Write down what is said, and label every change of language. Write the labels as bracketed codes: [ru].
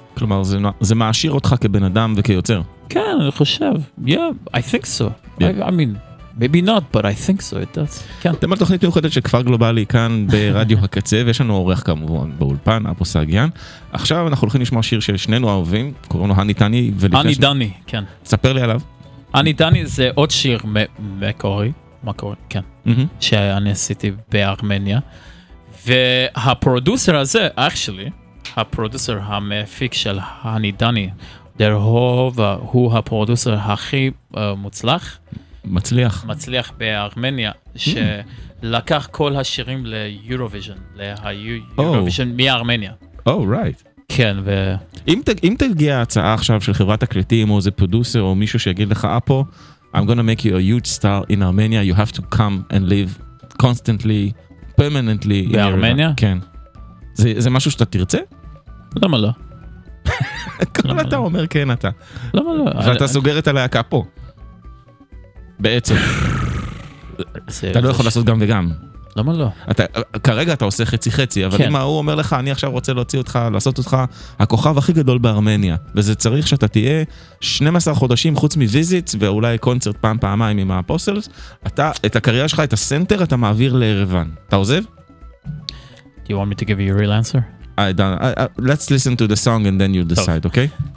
[he] כלומר, זה מעשיר אותך כבן אדם וכיוצר. כן, אני חושב. [en] Yeah, I think so. Yeah. I mean... Maybe not, but I think so, it does. [he] אתם על תוכנית מיוחדת של כפר גלובלי כאן ברדיו הקצה, ויש לנו עורך כמובן באולפן, אבו סעגיאן. עכשיו אנחנו הולכים לשמוע שיר של שנינו אהובים, קוראים לו הני טני. הני דני, כן. ספר לי עליו. הני דני זה עוד שיר מקורי, כן, שאני עשיתי בארמניה. והפרודוסר הזה, actually, הפרודוסר המפיק של הני דני, דרהוב הוא הפרודוסר הכי מוצלח, מצליח בארמניה שלקח כל השירים ליורוויז'ן ליורוויז'ן מארמניה. [en] Oh, right. [he] כן, ו... אם תגיע הצעה עכשיו של חברת הקליטים או איזה פרודוסר או מישהו שיגיד לך אפו, [en] I'm gonna make you a huge star in Armenia, you have to come and live constantly, permanently [he] בארמניה? כן. זה משהו שאתה תרצה? למה לא? כל אתה אומר כן אתה. למה לא? ואתה סוגר את הלהקה פה. בעצם. אתה לא יכול לעשות גם וגם. למה לא? כרגע אתה עושה חצי חצי, אבל אם הוא אומר לך, אני עכשיו רוצה להוציא אותך, לעשות אותך הכוכב הכי גדול בארמניה, וזה צריך שאתה תהיה 12 חודשים חוץ מויזיט, ואולי קונצרט פעם פעמיים עם האפוסלס, אתה, את הקריירה שלך, את הסנטר, אתה מעביר לרוון. אתה עוזב? [en] Do you want me to give you a real answer? Let's listen to the song and then you decide, okay?